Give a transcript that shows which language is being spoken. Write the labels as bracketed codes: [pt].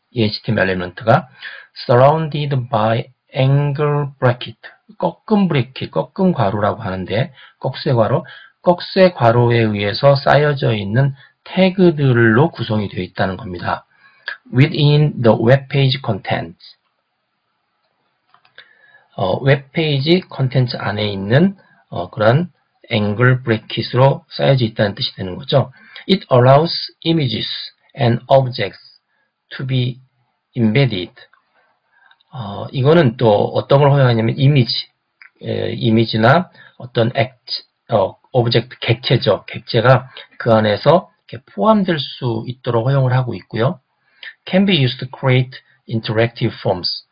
[ko] 이 HTML element가 [en] surrounded by angle bracket [ko] 꺾음 브래킷, 꺾음 괄호라고 하는데 꺽쇠 괄호, 꺽쇠 괄호에 의해서 쌓여져 있는 태그들로 구성이 되어 있다는 겁니다. [en] within the web page contents. [ko] 웹 페이지 컨텐츠 안에 있는 그런 앵글 브래킷으로 쌓여져 있다는 뜻이 되는 거죠. [en] It allows images and objects to be embedded. [ko] 이거는 또 어떤 걸 허용하냐면 이미지나 어떤 오브젝트 객체죠. 객체가 그 안에서 이렇게 포함될 수 있도록 허용을 하고 있고요. [en] Can be used to create interactive forms.